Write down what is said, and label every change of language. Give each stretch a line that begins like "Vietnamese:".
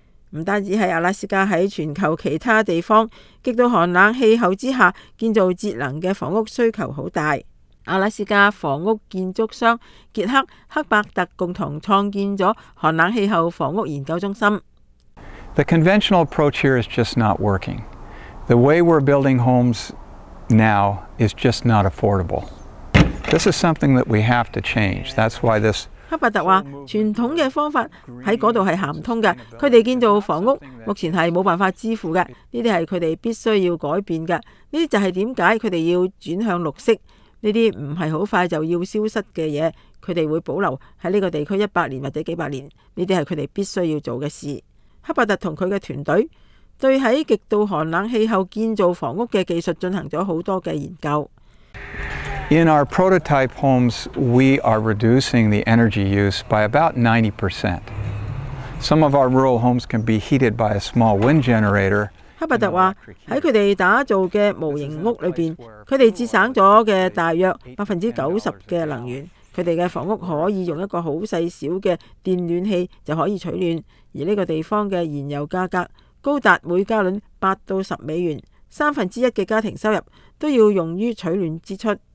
Chinese: 不单止在阿拉斯加，在全球其他地方极度寒冷气候之下，建造节能的房屋需求很大。阿拉斯加房屋建筑商杰克·克伯特共同创建了寒冷气候房屋研究中心。
English: The conventional approach here is just not working. The way we're building homes now is just not affordable. This is something that we have to change. That's why this.
Chinese: 克伯特说，传统的方法在那里是行不通的，他们建造房屋目前是没办法支付的，这些是他们必须要改变的，这就是为什么他们要转向绿色。这些不是很快就要消失的东西，他们会保留在这个地区100年或者几百年，这些是他们必须要做的事。克伯特和他的团队对在极度寒冷气候建造房屋的技术进行了很多的研究。
English: In our prototype homes, we are reducing the energy use by about 90%. Some of our rural homes can be heated by a small wind generator.
Chinese: 克伯特说，在他们打造的模型屋里面，他们节省了大约 90% 的能源。他们的房屋可以用一个很细小的电暖器就可以取暖，而这个地方的燃油价格高达每加仑8-10美元，三分之一的家庭收入都要用于取暖支出。